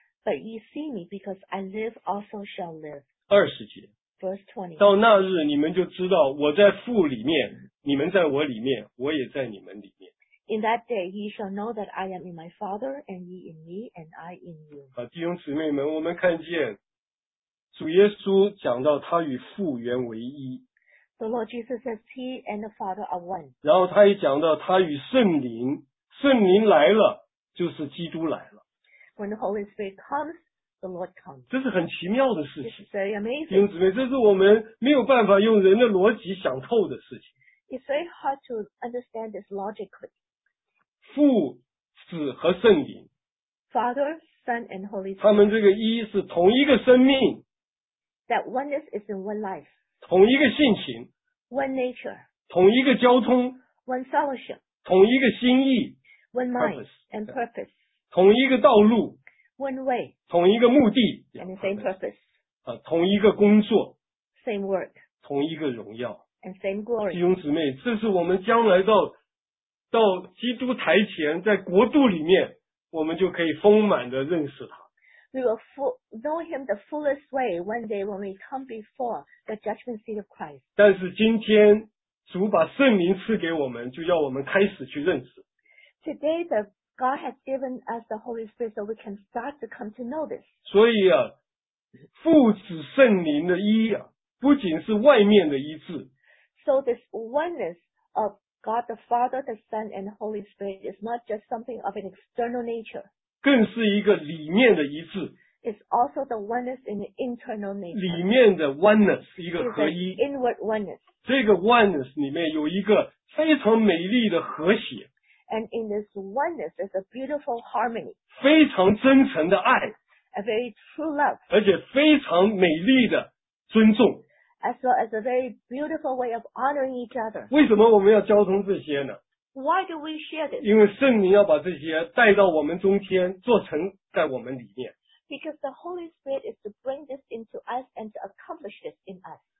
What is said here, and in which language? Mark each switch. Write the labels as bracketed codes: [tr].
[en] But you see me because I live also shall live. [zh] 二十节。 [en] Verse 20. [zh] 到那日你们就知道我在父里面，你们在我里面，我也在你们里面。 [en] In that day you shall know that I am in my Father, and ye in me, and I in you. [zh] 好，弟兄姊妹们，我们看见主耶稣讲到他与父原为一。 [en] The Lord Jesus says he and the Father are one. [zh] 然后他也讲到他与圣灵，圣灵来了，就是基督来了。 [en] When the Holy Spirit comes, the Lord comes. [zh] 这是很奇妙的事情。 [en] It's very amazing. [zh] 弟兄姊妹，这是我们没有办法用人的逻辑想透的事情。 [en] It's very hard to understand this logically. [zh] 父、子和圣灵。 [en] Father, Son, and Holy Spirit. [zh] 他们这个一是同一个生命。 [en] That oneness is in one life. [zh] 同一个性情。 [en] One nature. [zh] 同一个交通。 [en] One fellowship. [zh] 同一个心意。 [en] One mind and purpose. [zh] 同一个道路 [en] One way, [zh] 同一个目的 [en] and the same purpose,、 [zh] 同一个工作 [en] same work, [zh] 同一个荣耀 [en] and same glory. [zh] 弟兄姊妹这是我们将来到基督台前在国度里面我们就可以丰满的认识他 [en] We will know him the fullest way one day when we come before the judgment seat of Christ. [zh] 但是今天主把圣灵赐给我们就要我们开始去认识 [en] Today theGod has given us the Holy Spirit so we can start to come to know this. [zh] 所以啊，父子圣灵的一啊，不仅是外面的一致。 [en] So this oneness of God the Father, the Son, and Holy Spirit is not just something of an external nature. [zh] 更是一个里面的一致。 [en] It's also the oneness in the internal nature. [zh] 里面的 oneness 一个合一。 [en] It's an inward oneness. [zh] 这个 oneness 里面有一个非常美丽的和谐。 [en] And in this oneness is a beautiful harmony. [zh] 非常真诚的爱。 [en] A very true love. [zh] 而且非常美丽的尊重。 [en] As well as a very beautiful way of honoring each other. [zh] 为什么我们要交通这些呢 [en] ?Why do we share this? [zh] 因为圣灵要把这些带到我们中间做成在我们里面。 [en] Because the Holy Spirit is to bring this into us and to accomplish this in us.